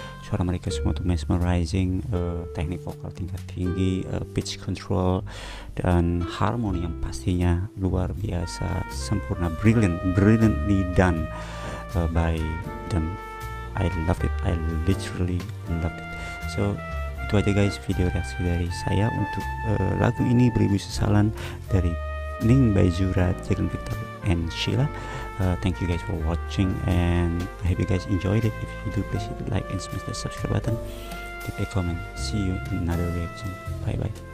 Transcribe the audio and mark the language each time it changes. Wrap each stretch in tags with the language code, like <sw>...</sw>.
<id>Suara mereka semua tuh mesmerizing, teknik vokal tingkat tinggi, pitch control, dan harmoni yang pastinya luar biasa sempurna, brilliant,</id> <en>brilliantly done by them. I love it, I literally love it.</en> <id>So itu aja, guys, video reaksi dari saya untuk lagu ini, Beribu Sesalan, dari Ning Bajura, Jalen Victor, and Sheila.</id> <en>Thank you guys for watching, and I hope you guys enjoyed it. If you do, please hit the like and smash the subscribe button. Leave a comment. See you in another reaction. Bye bye.</en>